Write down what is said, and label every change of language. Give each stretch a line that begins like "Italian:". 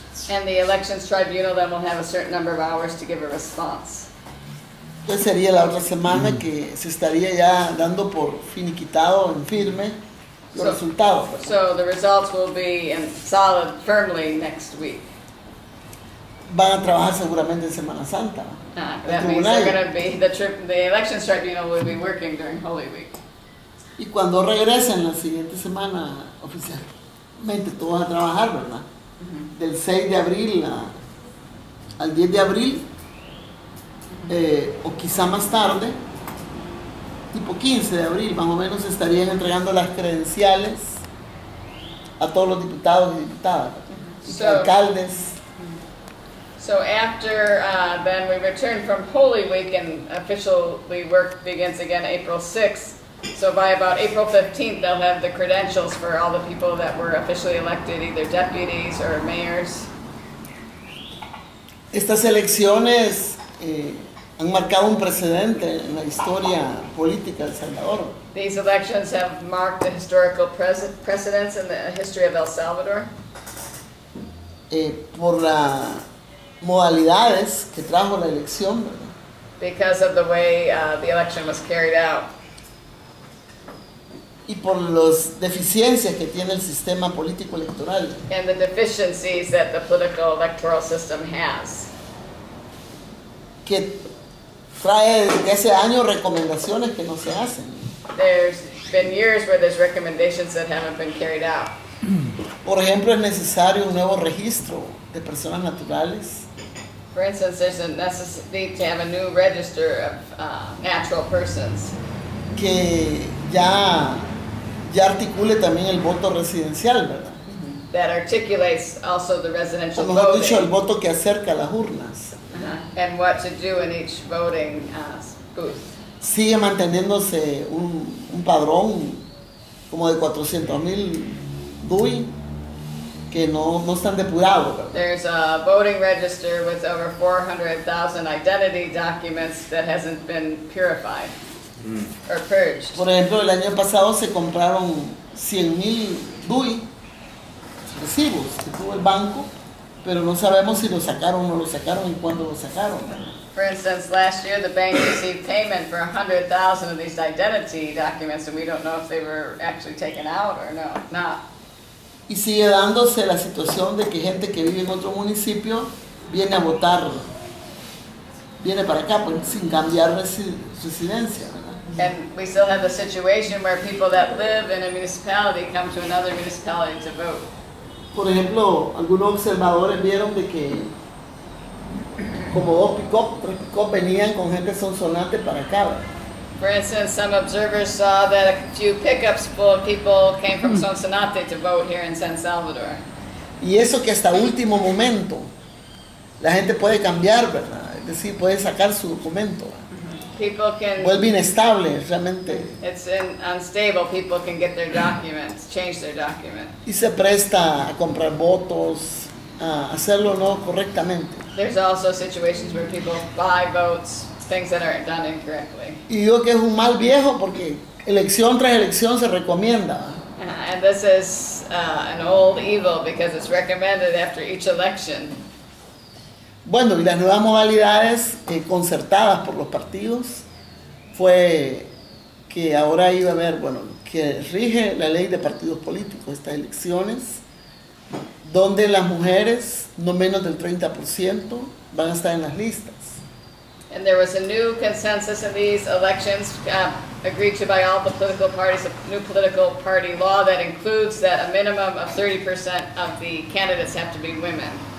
English: And the elections tribunal then will have a certain number of hours to give a response.
Spanish: Entonces sería la otra semana que se estaría ya dando por finiquitado en firme los resultados.
English: So the results will be in solid, firmly next week.
Spanish: Van a trabajar seguramente en Semana Santa.
English: The elections tribunal will be working during Holy Week.
Spanish: Y cuando regresen la siguiente semana, oficialmente todos a trabajar, ¿verdad? Mm-hmm. Del 6 de abril al 10 de abril, o quizá más tarde, tipo 15 de abril, más o menos estarían entregando las credenciales a todos los diputados y diputadas, alcaldes.
English: So after then we return from Holy Week and officially work begins again April 6th, So by about April 15th, they'll have the credentials for all the people that were officially elected, either deputies or mayors.
Spanish: Estas elecciones han marcado un precedente en la historia política de Salvador.
English: These elections have marked the historical precedents in the history of El Salvador.
Spanish: Por las modalidades que trajo la elección.
English: Because of the way the election was carried out.
Spanish: Y por las deficiencias que tiene el sistema político electoral.
English: And the deficiencies that the political electoral system has.
Spanish: Que trae desde hace años recomendaciones que no se hacen.
English: There's been years where there's recommendations that haven't been carried out.
Spanish: Por ejemplo, es necesario un nuevo registro de personas naturales.
English: For instance, there's a necessity to have a new register of natural persons.
Spanish: Que ya articule también el voto residencial, ¿verdad?
English: That articulates also the residential voting.
Spanish: O mejor dicho, el voto que acerca las urnas. Uh-huh.
English: And what to do in each voting booth.
Spanish: Sigue manteniéndose un padrón como de 400,000 DUI que no están depurados.
English: There's a voting register with over 400,000 identity documents that hasn't been purified or purged.
Spanish: Por ejemplo, el año pasado se compraron 100,000 DUI recibos que tuvo el banco, pero no sabemos si lo sacaron o no lo sacaron y cuándo lo sacaron.
English: For instance, last year the bank received payment for 100,000 of these identity documents, and we don't know if they were actually taken out or no, not.
Spanish: Y sigue dándose la situación de que gente que vive en otro municipio viene a votar, viene para acá, pues, sin cambiar residencia, ¿verdad?
English: And we still have the situation where people that live in a municipality come to another municipality to vote.
Spanish: Por ejemplo, algunos observadores vieron de que como dos pick-up, tres pick-up venían con gente sonsonante para acá.
English: For instance, some observers saw that a few pickups full of people came from Sonsonate to vote here in San Salvador.
Spanish: Y eso que hasta último momento la gente puede cambiar, ¿verdad? Es decir, puede sacar su documento.
English: People can
Spanish: vuelve inestable, realmente.
English: It's unstable. People can get their documents, change their document.
Spanish: Y se presta a comprar votos, a hacerlo no correctamente.
English: There's also situations where people buy votes, things that aren't done incorrectly.
Spanish: Y digo que es un mal viejo porque elección tras elección se recomienda.
English: And this is an old evil because it's recommended after each election.
Spanish: Bueno, y las nuevas modalidades concertadas por los partidos fue que ahora iba a haber, bueno, que rige la ley de partidos políticos, estas elecciones, donde las mujeres, no menos del 30%, van a estar en las listas.
English: And there was a new consensus in these elections, agreed to by all the political parties, a new political party law that includes that a minimum of 30% of the candidates have to be women.